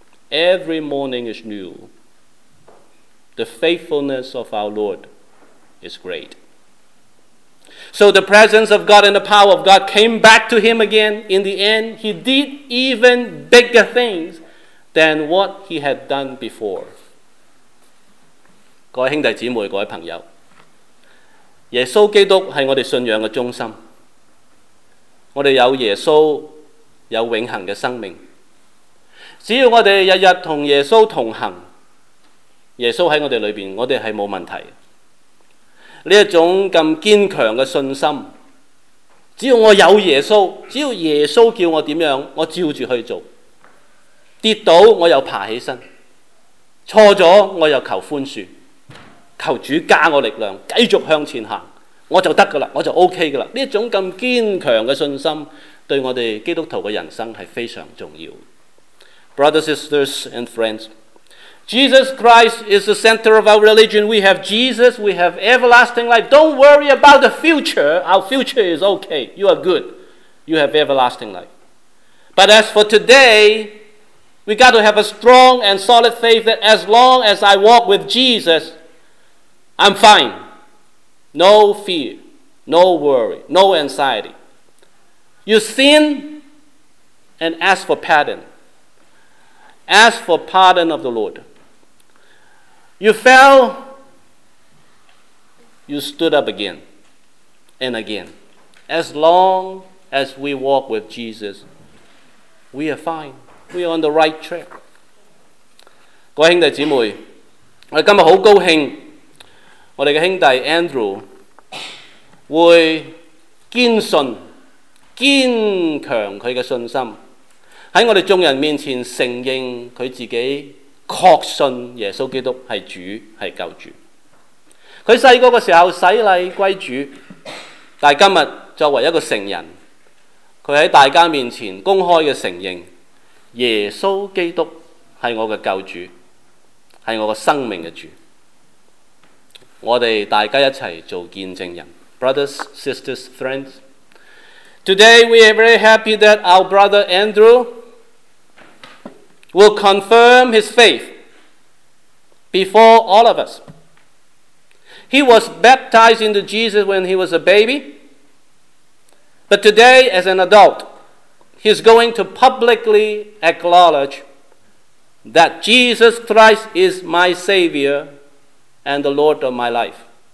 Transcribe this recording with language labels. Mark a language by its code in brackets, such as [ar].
[en] Every morning is new. The faithfulness of our Lord is great. So the presence of God and the power of God came back to him again. In the end, he did even bigger things than what he had done before. [zh] 各位兄弟姊妹，各位朋友，耶稣基督是我们信仰的中心。我们有耶稣，有永恒的生命。只要我们日日和耶稣同行，耶稣在我们里面，我们是没有问题的。这种这么坚强的信心，只要我有耶稣，只要耶稣叫我怎样，我照着去做，跌倒我又爬起身，错了我又求宽恕，求主加我力量继续向前行，我就得了，我就 OK 了。这种这么坚强的信心对我们基督徒的人生是非常重要的。 [en] Brothers, sisters and friends,Jesus Christ is the center of our religion. We have Jesus. We have everlasting life. Don't worry about the future. Our future is okay. You are good. You have everlasting life. But as for today, we got to have a strong and solid faith that as long as I walk with Jesus, I'm fine. No fear. No worry. No anxiety. You sin, and ask for pardon. Ask for pardon of the Lord. You fell, you stood up again and again. As long as we walk with Jesus, we are fine. We are on the right track. [zh] 各位兄弟姊妹，我今天很高兴我们的兄弟 Andrew 会坚信坚强他的信心，在我们众人面前承认他自己确信耶稣基督是主，是救主。他小的时候洗礼归主，但今天作为一个成人，他在大家面前公开的承认耶稣基督是我的救主，是我的生命的主。我们大家一起做见证人。 [en] Brothers, sisters, friends, today we are very happy that our brother Andrew will confirm his faith before all of us. He was baptized into Jesus when he was a baby, but today as an adult, he is going to publicly acknowledge that Jesus Christ is my Savior and the Lord of my life.